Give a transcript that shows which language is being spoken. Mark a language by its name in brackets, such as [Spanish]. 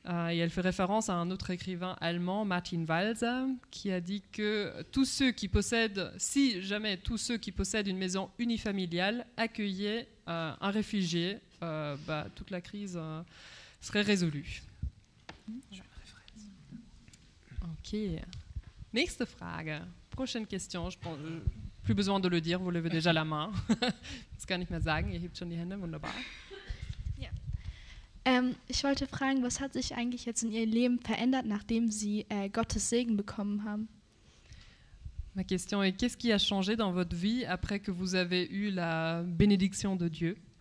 [French] Et elle fait référence à un autre écrivain allemand, Martin Walser, qui a dit que tous ceux qui possèdent, si jamais tous ceux qui possèdent une maison unifamiliale accueillaient un réfugié, toute la crise serait résolue. [German] Okay. Nächste Frage. [French] Prochaine question. Je pense, plus besoin de le dire, vous levez déjà la main. [German] Das kann ich mehr sagen. Ihr hebt schon die Hände. Wunderbar. Ja. Ich wollte fragen, was hat sich eigentlich jetzt in Ihrem Leben verändert, nachdem Sie Gottes Segen bekommen haben? [French] Ma question est, qu'est-ce qui a changé dans votre vie après que vous avez eu la bénédiction de Dieu?